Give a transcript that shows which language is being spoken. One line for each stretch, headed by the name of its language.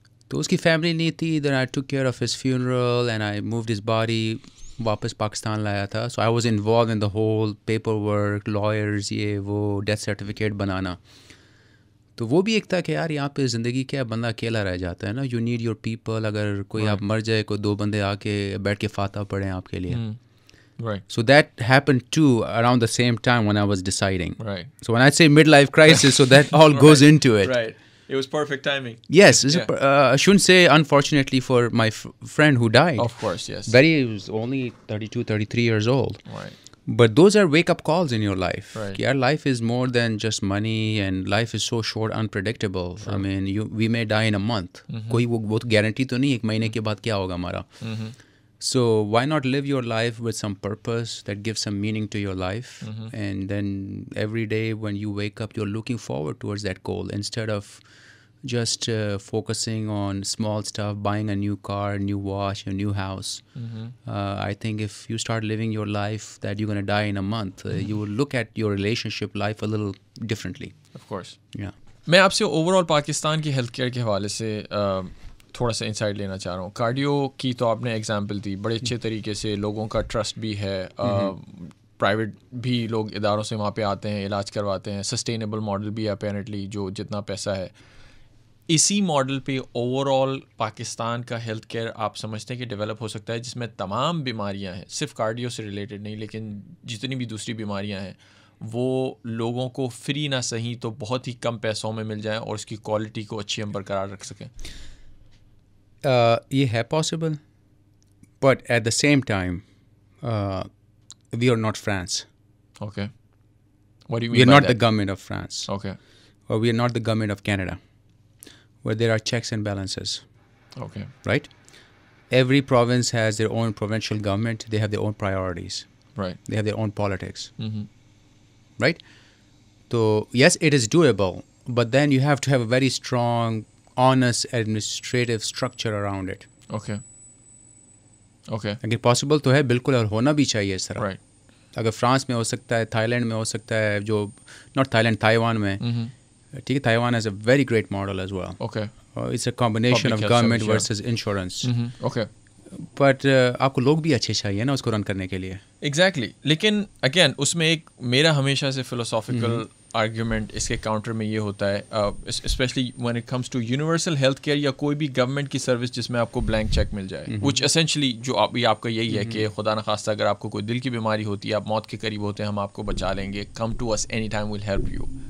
Urdu: تو اس کی فیملی نہیں تھی
English: then I took care of his funeral and I moved his body
Urdu: واپس پاکستان لایا تھا
English: so I was involved in the whole paperwork
Urdu: lawyers یہ وہ ڈیتھ سرٹیفکیٹ بنانا تو وہ بھی ایک تھا کہ یار یہاں پہ زندگی کیا بندہ اکیلا رہ جاتا ہے نا
English: you need your people
Urdu: اگر کوئی آپ مر جائے کوئی دو بندے آ کے بیٹھ کے فاتح پڑھیں آپ کے لیے
English: Right. So that happened too around the same time when I was deciding. Right. So when I say midlife crisis, so that all right. goes into it. Right. It was perfect timing. Yes. Yeah. I shouldn't say unfortunately for my friend who died. Of course, yes. Very, he was only 32, 33 years old. Right. But those are wake-up calls in your life. Right. Yeah, life is more than just money and life is so short, unpredictable. Sure. I mean, we may die in a month.
Urdu: Koi wo guarantee to nahi ek mahine ke baad kya hoga hamara.
English: So why not live your life with some purpose that gives some meaning to your life and then every day when you wake up you're looking forward towards that goal instead of just focusing on small stuff buying a new car new watch a new house I think if you start living your life that you're going to die in a month you will look at your relationship life a little differently of course yeah
Urdu: main aapse overall pakistan ki healthcare ke hawale se تھوڑا سا insight لینا چاہ رہا ہوں cardio کی تو آپ نے ایگزامپل دی بڑے اچھے طریقے سے لوگوں کا ٹرسٹ بھی ہے پرائیویٹ بھی لوگ اداروں سے وہاں پہ آتے ہیں علاج کرواتے ہیں سسٹینیبل ماڈل بھی ہے اپیرنٹلی جو جتنا پیسہ ہے اسی ماڈل پہ اوور آل پاکستان کا ہیلتھ کیئر آپ سمجھتے ہیں کہ ڈیولپ ہو سکتا ہے جس میں تمام بیماریاں ہیں صرف کارڈیو سے ریلیٹڈ نہیں لیکن جتنی بھی دوسری بیماریاں ہیں وہ لوگوں کو فری نہ سہیں تو بہت ہی کم پیسوں میں مل جائیں اور اس کی کوالٹی کو اچھی ہم برقرار رکھ سکیں یہ ہے
English: possible but at the same time we are not France okay we are not the government of France okay we are not the government of Canada where there are checks and balances okay right every province has their own provincial government they have their own priorities right they have their own politics right
Urdu: تو
English: yes it is doable but then you have to have a very strong honest administrative structure around it okay
Urdu: اگر possible تو ہے بالکل اور ہونا بھی چاہیے اس طرح
English: right
Urdu: اگر فرانس میں ہو سکتا ہے تھائی لینڈ میں ہو سکتا ہے جو not تھائی لینڈ تائیوان میں ٹھیک ہے Taiwan
English: has a very great model as well okay it's a combination of government versus insurance okay
Urdu: but آپ کو لوگ بھی اچھے چاہیے نا اس کو رن کرنے کے لیے.
English: Exactly.
Urdu: لیکن اگین اس میں ایک میرا ہمیشہ سے فلوسافیکل آرگیومنٹ اس کے کاؤنٹر میں یہ ہوتا ہے,
English: especially when it comes to
Urdu: universal health care یا کوئی بھی گورنمنٹ کی سروس جس میں آپ کو بلینک چیک مل جائے,
English: which essentially
Urdu: جو ابھی آپ کا یہی ہے کہ خدا نخواستہ اگر آپ کو کوئی دل کی بیماری ہوتی ہے, آپ موت کے قریب ہوتے ہیں, ہم آپ کو بچا لیں گے,
English: Come to us any time, will help you.